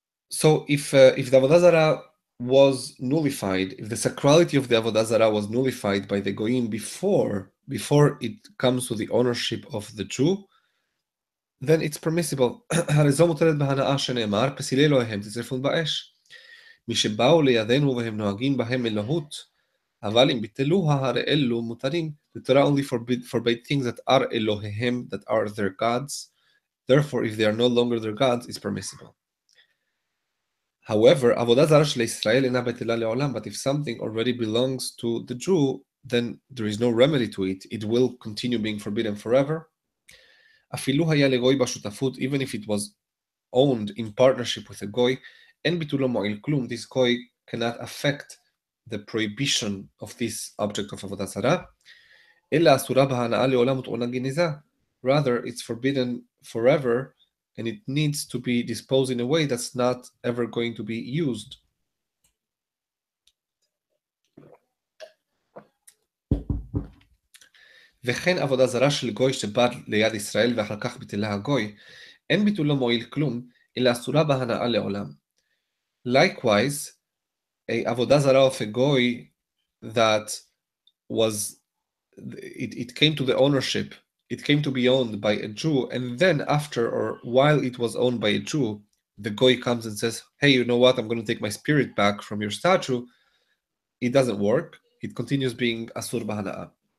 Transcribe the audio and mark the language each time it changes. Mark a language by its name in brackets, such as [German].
[English] So if the Avodah Zarah was nullified, if the sacrality of the Avodah Zarah was nullified by the Goyim before it comes to the ownership of the Jew, then it's permissible. [Hebrew] הרי זו מותרת בהנאה שנאמר, פסילי אלוהיהם תצרפון באש. מי שבאו לידינו והם נוהגים בהם אלוהות, אבל אם ביטלוה הרי אלו מותרים, [English] the Torah only forbid things that are אלוהיהם, that are their gods. Therefore, if they are no longer their gods, it's permissible. However, [Hebrew] עבודה זרה של ישראל אינה בטלה לעולם, [English] but if something already belongs to the Jew, then there is no remedy to it. It will continue being forbidden forever. [Hebrew] אפילו היה לגוי בשותפות, [English] even if it was owned in partnership with a goy, [Hebrew] אין ביטולו מועיל כלום, [English] this goy cannot affect the prohibition of this object of עבודה זרה, [Hebrew] אלא אסורה בהנאה לעולם ותעונה גניזה. [English] Rather, it's forbidden forever, and it needs to be disposed in a way that's not ever going to be used. [Hebrew] וכן עבודה זרה של גוי שבא ליד ישראל ואחר כך ביטלה הגוי, אין ביטולו מועיל כלום, אלא אסורה בהנאה לעולם. [English] Likewise, a עבודה זרה of a goy that was, it came to the ownership, it came to be owned by a Jew, and then after or while it was owned by a Jew, the goy comes and says, hey, you know what, I'm going to take my spirit back from your statue, it doesn't work, it continues being [Hebrew] asur bahana'a.